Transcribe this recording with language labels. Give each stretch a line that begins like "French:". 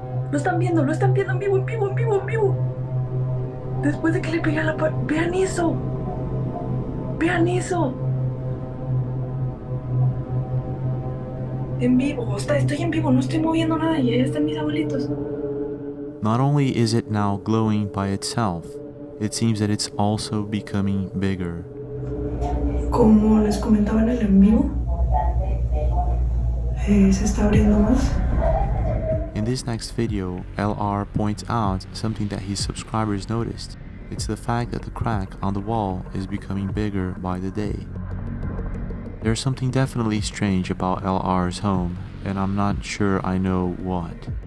Spanish: Lo están viendo, lo están viendo en vivo, en vivo, en vivo, en vivo. Después de que le pegué a la puerta, vean eso. Vean eso. En vivo, estoy en vivo, no estoy moviendo nada y ahí están mis abuelitos.
English: Not only is it now glowing by itself, it seems that it's also becoming bigger.
Spanish: Como les comentaba en el en vivo, se está abriendo más.
English: In this next video, LR points out something that his subscribers noticed. It's the fact that the crack on the wall is becoming bigger by the day. There's something definitely strange about LR's home, and I'm not sure I know what.